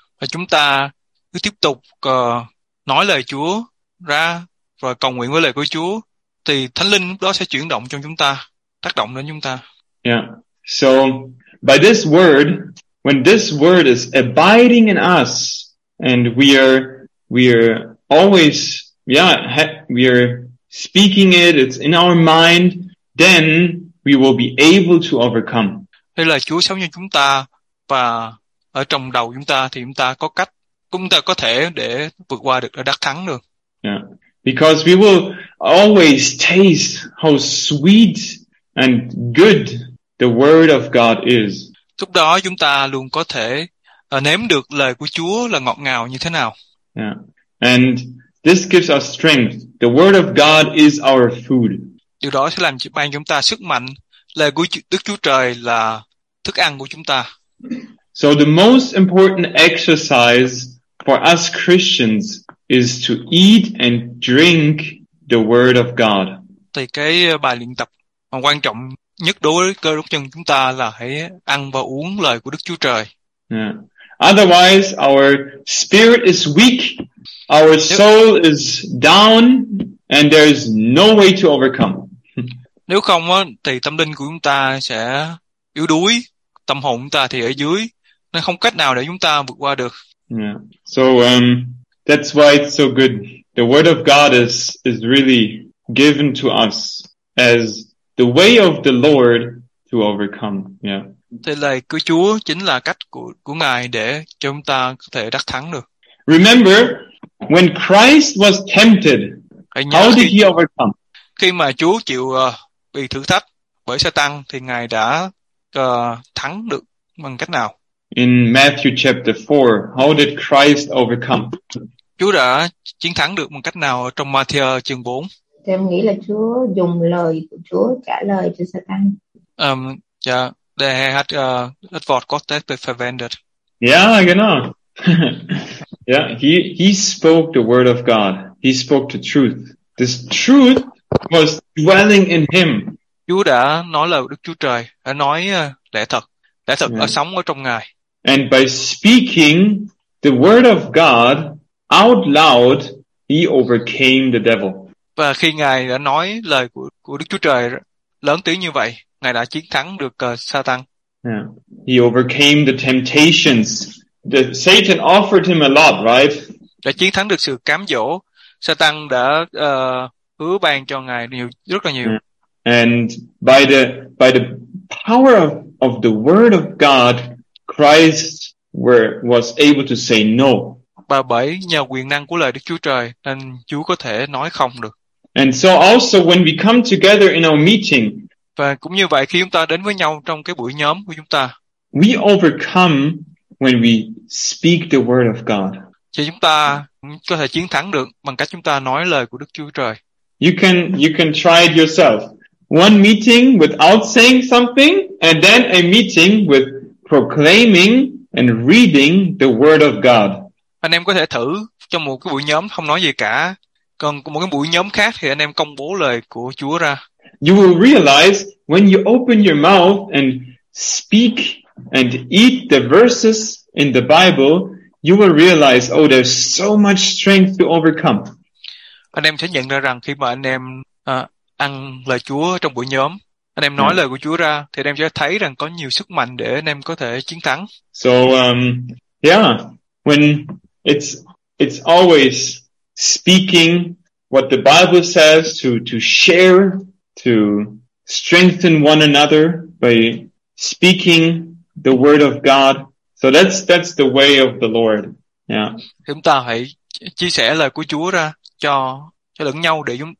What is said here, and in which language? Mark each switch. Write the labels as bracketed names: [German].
[Vietnamese] Và chúng ta cứ tiếp tục nói lời Chúa ra và cầu nguyện với lời của Chúa thì Thánh Linh đó sẽ chuyển động trong chúng ta, tác động đến chúng ta. [English] Yeah. So by this word, when this word is abiding in us and we are speaking it, it's in our mind, then we will be able to overcome. [Vietnamese] Thì là Chúa sống trong chúng ta và ở trong đầu chúng ta thì chúng ta có cách, chúng ta có thể để vượt qua được, đắc thắng được. [English] Yeah. Because we will always taste how sweet and good the word of God is. [Vietnamese] Lúc đó chúng ta luôn có thể nếm được lời của Chúa là ngọt ngào như thế nào. [English] Yeah. And this gives us strength. The word of God is our food. [Vietnamese] Điều đó sẽ làm ban chúng ta sức mạnh. Lời của Đức Chúa Trời là thức ăn của chúng ta. [English] So the most important exercise for us Christians is to eat and drink the word of God. [Vietnamese] Thì cái bài luyện tập mà quan trọng nhất đối với cơ đốc nhân chúng ta là hãy ăn và uống lời của Đức Chúa Trời. [English] Yeah. Otherwise our spirit is weak, our soul is down, and there is no way to overcome. [Vietnamese] Nếu không thì tâm linh của chúng ta sẽ yếu đuối, tâm hồn chúng ta thì ở dưới, nên không cách nào để chúng ta vượt qua được. [English] Yeah. So that's why it's so good. The word of God is really given to us as the way of the Lord to overcome. Yeah. [Vietnamese] Thì lời của Chúa chính là cách của Ngài để cho chúng ta có thể đắc thắng được. [English] Remember when Christ was tempted, how did he overcome? [Vietnamese] Khi mà Chúa chịu bị thử thách bởi Satan thì Ngài đã thắng được bằng cách nào? [English] In Matthew chapter 4, how did Christ overcome? [Vietnamese] Chúa đã chiến thắng được bằng cách nào trong Matthew chương 4? Thì em nghĩ là Chúa dùng lời của Chúa trả lời cho Satan. They had advert got that but prevented. [German] Yeah, genau. [English] Yeah, he spoke the word of God. He spoke the truth. This truth was dwelling in him. [Vietnamese] Chúa đã nói lời Đức Chúa Trời, đã nói lẽ thật ở sống ở trong Ngài. [English] And by speaking the word of God out loud, he overcame the devil. [Vietnamese] Và khi Ngài đã nói lời của Đức Chúa Trời lớn tiếng như vậy, Ngài đã chiến thắng được Satan. [English] Yeah. He overcame the temptations. The Satan offered him a lot, right? [Vietnamese] Đã chiến thắng được sự cám dỗ. Satan đã hứa ban cho Ngài nhiều, rất là nhiều. [English] Yeah. And by the power of the word of God, Christ was able to say no. [Vietnamese] Và bởi nhờ quyền năng của lời Đức Chúa Trời nên Chúa có thể nói không được. [English] And so also when we come together in our meeting, [Vietnamese] và cũng như vậy khi chúng ta đến với nhau trong cái buổi nhóm của chúng ta, [English] we overcome when we speak the word of God. [Vietnamese] Thì chúng ta có thể chiến thắng được bằng cách chúng ta nói lời của Đức Chúa Trời. [English] You can try it yourself. One meeting without saying something, and then a meeting with proclaiming and reading the word of God. [Vietnamese] Anh em có thể thử trong một cái buổi nhóm không nói gì cả, còn một cái buổi nhóm khác thì anh em công bố lời của Chúa ra. [English] You will realize when you open your mouth and speak and eat the verses in the Bible, you will realize, oh, there's so much strength to overcome. [Vietnamese] Anh em sẽ nhận ra rằng khi mà anh em ăn lời Chúa trong buổi nhóm, anh em nói lời của Chúa ra, thì anh em sẽ thấy rằng có nhiều sức mạnh để anh em có thể chiến thắng. [English] So, when it's always speaking what the Bible says to share, to strengthen one another by speaking the word of God. So that's the way of the Lord. Yeah. [Vietnamese] Chúng ta hãy chia sẻ lời của Chúa ra cho lẫn nhau để